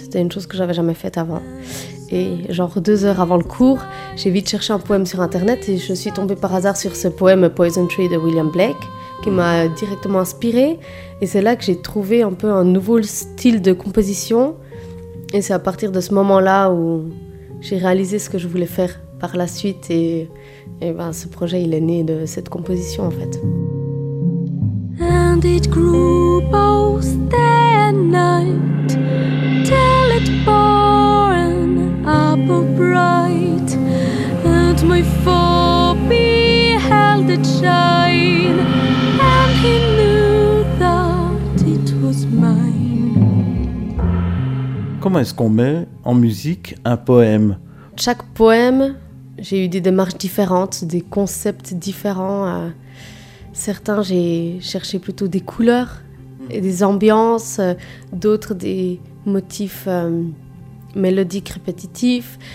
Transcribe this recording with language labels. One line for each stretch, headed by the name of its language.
French: C'était une chose que je n'avais jamais faite avant. Et genre 2 heures avant le cours, j'ai vite cherché un poème sur Internet et je suis tombée par hasard sur ce poème « Poison Tree » de William Blake, qui m'a directement inspirée. Et c'est là que j'ai trouvé un peu un nouveau style de composition. Et c'est à partir de ce moment-là où j'ai réalisé ce que je voulais faire par la suite et ben ce projet il est né de cette composition en fait.
English: And it grew both day and night till it bore an apple bright and my foe beheld it shine and he knew that it was mine.
French: Comment est-ce qu'on met en musique un poème? Chaque poème, j'ai eu des démarches différentes, des concepts différents. Certains, j'ai cherché plutôt des couleurs et des ambiances. D'autres, des motifs mélodiques répétitifs.